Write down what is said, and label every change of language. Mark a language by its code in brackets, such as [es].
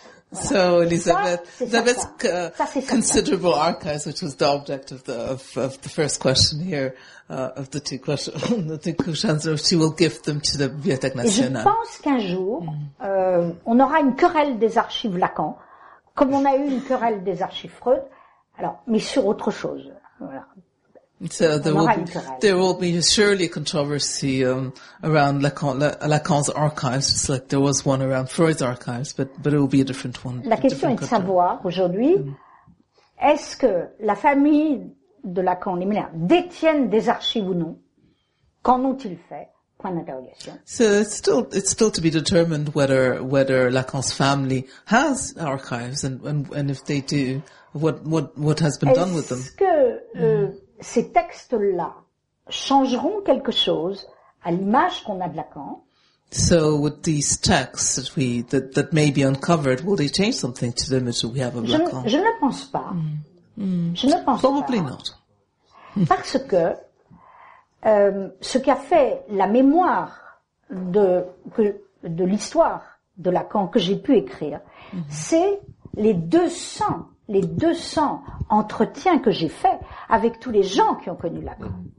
[en] So Elizabeth, considerable archives, which was the object of the first question here, of the two questions, she will give them to the Bibliothèque nationale. [fr] Je pense qu'un jour, on aura une querelle des archives Lacan, comme on a eu une querelle des archives Freud, alors, mais sur autre chose. Voilà. [en] So there will be surely a controversy around Lacan's archives, just like there was one around Freud's archives, but it will be a different one. [fr] La question est de savoir aujourd'hui, est-ce que la famille de Lacan, les Miller, détiennent des archives ou non, qu'en ont-ils fait? Point d'interrogation. [en] So it's still to be determined whether Lacan's family has archives and if they do, what has been done with them. [fr] Est-ce que ces textes-là changeront quelque chose à l'image qu'on a de Lacan? [en] So with these texts that we that may be uncovered, will they change something to the image that we have of Lacan? [fr] Je ne pense pas. Je ne pense [en] probably [fr] pas. [en] Not. [fr] Parce que ce qui a fait la mémoire de l'histoire de Lacan que j'ai pu écrire, c'est les 200 entretiens que j'ai faits avec tous les gens qui ont connu Lacan.